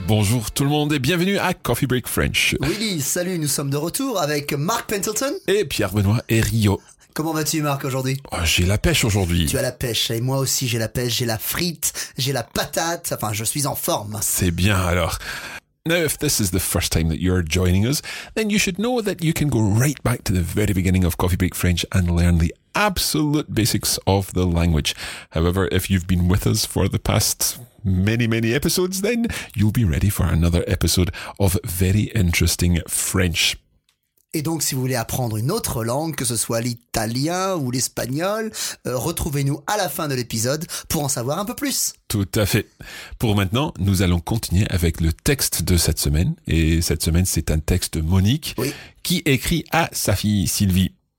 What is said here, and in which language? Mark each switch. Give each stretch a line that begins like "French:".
French: Bonjour tout le monde et bienvenue à Coffee Break French. Willy, salut, nous sommes de retour avec Marc Pendleton et Pierre-Benoît Hériot. Comment vas-tu Marc aujourd'hui? Oh, j'ai la pêche aujourd'hui. Tu as la pêche et moi aussi j'ai la pêche, j'ai la frite, j'ai la patate, enfin je suis en forme. C'est bien alors.
English: Now, if this is the first time that you're joining us, then you should know that you can go right back to the very beginning of Coffee Break French and learn the absolute basics of the language. However, if you've been with us for the past many, many episodes, then you'll be ready for another episode of very interesting French.
French: Et donc, si vous voulez apprendre une autre langue, que ce soit l'italien ou l'espagnol, retrouvez-nous à la fin de l'épisode pour en savoir un peu plus. Tout à fait. Pour maintenant, nous allons continuer avec le texte de cette semaine. Et cette semaine, c'est un texte de Monique qui écrit à sa fille Sylvie.